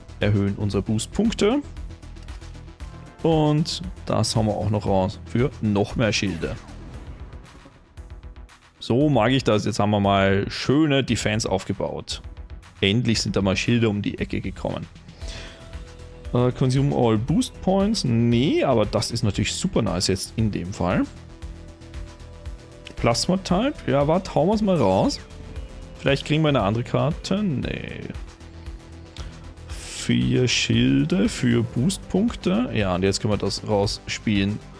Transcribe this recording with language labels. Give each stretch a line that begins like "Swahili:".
German: Erhöhen unsere Boostpunkte. Und das haben wir auch noch raus für noch mehr Schilde. So mag ich das. Jetzt haben wir mal schöne Defense aufgebaut. Endlich sind da mal Schilde um die Ecke gekommen.
English: Consume all Boost Points.
German: Nee, aber das ist natürlich super nice jetzt in dem Fall. Plasma Type. Ja, warte, hauen wir es mal raus. Vielleicht kriegen wir eine andere Karte. Nee. 4 Schilde für Boostpunkte. Ja, und jetzt können wir das rausspielen.